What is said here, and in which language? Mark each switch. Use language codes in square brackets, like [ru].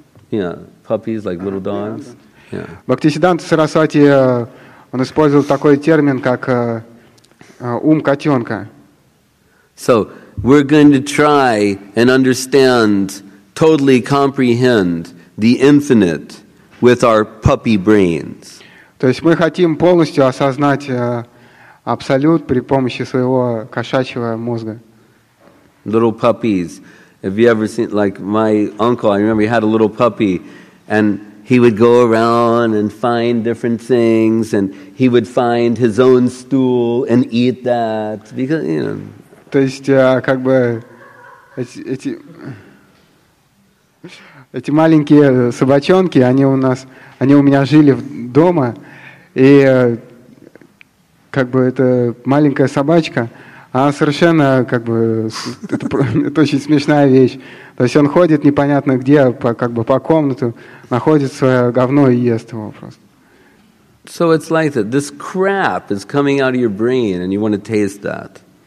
[en] Yeah, puppies, like little dogs. [ru] Бхактисиддханта Сарасвати, он использовал такой термин, как ум котенка. [en] So, we're going to try and understand, totally comprehend the infinite with our puppy brains. [ru] То есть мы хотим полностью осознать абсолют при помощи своего кошачьего мозга. [en] Little puppies. Have you ever seen, like my uncle, I remember he had a little puppy and he would go around and find different things and he would find his own stool and eat that. Because, you know. [ru] То есть, как бы, эти маленькие собачонки, они у меня жили дома, и как бы эта маленькая собачка, она совершенно как бы это очень смешная вещь. То есть он ходит непонятно где, по комнату, находит свое говно и ест его просто. [en] So it's like that. This crap is coming out of your brain and you want to taste that.